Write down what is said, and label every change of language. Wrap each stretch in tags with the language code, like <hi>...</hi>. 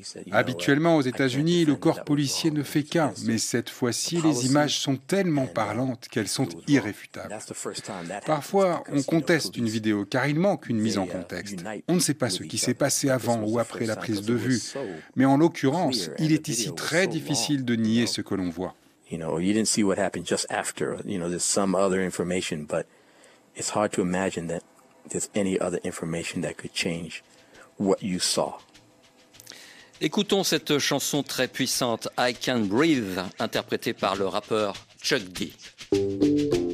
<fr>Habituellement, aux États-Unis, le corps policier ne fait qu'un, mais cette fois-ci, les images sont tellement parlantes qu'elles sont irréfutables. Parfois, on conteste une vidéo car il manque une mise en contexte. On ne sait pas ce qui s'est passé avant ou après la prise de vue. Mais en l'occurrence, il est ici très difficile de nier ce que l'on voit.</fr> <en>You didn't see what happened just after. There's some other information, but It's hard to imagine that there's any other information that could change what you saw.</en> <fr>Écoutons cette chanson très puissante, I Can't Breathe, interprétée par le rappeur Chuck D.</fr>